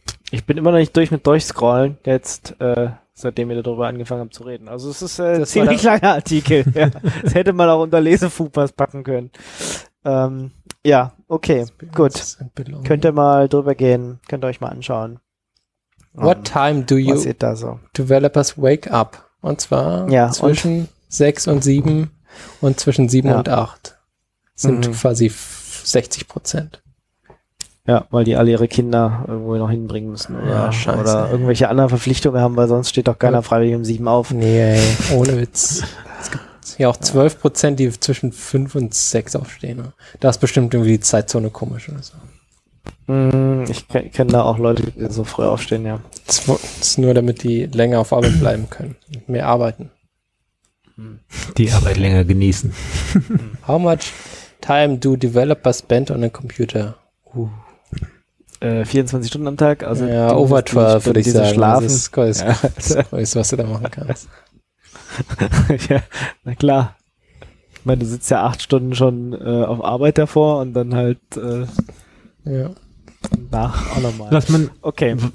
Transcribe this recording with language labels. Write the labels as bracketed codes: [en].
[de] Ich bin immer noch nicht durch mit Durchscrollen, jetzt seitdem wir darüber angefangen haben zu reden. Also es ist ein ziemlich langer Artikel. Ja. Das hätte man auch unter Lesefupas packen können. Ja, okay, gut. Könnt ihr mal drüber gehen, könnt ihr euch mal anschauen. [en] What time do you developers wake up? [de] Und zwar zwischen 6 und 7 und zwischen 7 und 8 sind quasi 60%. Ja, weil die alle ihre Kinder irgendwo noch hinbringen müssen. Oder, ja, scheiße, oder irgendwelche anderen Verpflichtungen haben, weil sonst steht doch keiner freiwillig um 7 auf. Nee, ey, ohne Witz. Es gibt ja auch 12%, die zwischen 5 und 6 aufstehen. Ne? Da ist bestimmt irgendwie die Zeitzone komisch oder so. Ich kenne da auch Leute, die so früh aufstehen, ja. Das ist nur, damit die länger auf Arbeit bleiben können. Mehr arbeiten. Die Arbeit länger genießen. [en] How much time do developers spend on a computer? [de] 24 Stunden am Tag. Also ja, [en] over 12, [de] würde ich sagen. Schlafen. Das ist cool, das Größte, was du da machen kannst. Ja, na klar. Ich meine, du sitzt ja 8 Stunden schon auf Arbeit davor und dann halt... Ja. Nach auch nochmal. Was man, okay.